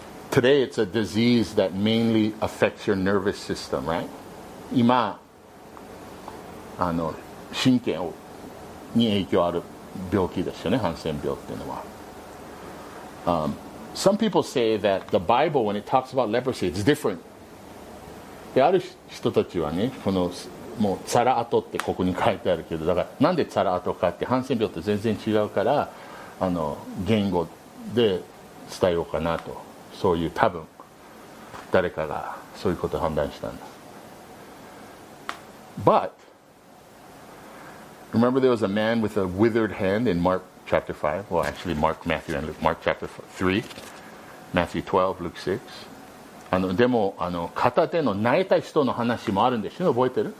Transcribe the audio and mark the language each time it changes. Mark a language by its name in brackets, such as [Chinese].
[English] Today it's a disease that mainly affects your nervous system, right? [Japanese] 今あの神経に影響ある病気ですよね、ハンセン病っていうのは。 [English] Some people say that the Bible, when it talks about leprosy, it's different. [Japanese] で、ある人たちはね、このもうザラ跡ってここに書いてあるけど、だからなんでザラ跡かって、ハンセン病って全然違うから、あの言語で伝えようかなと、そういう多分誰かがそういうことを判断したんだ。 [English] ButRemember there was a man with a withered hand in Mark chapter 5. Well, actually Mark, Matthew, and Luke. Mark chapter 3. Matthew 12, Luke 6. [Japanese] あのでもあの片手の泣いた人の話もあるんですよ。覚えてる？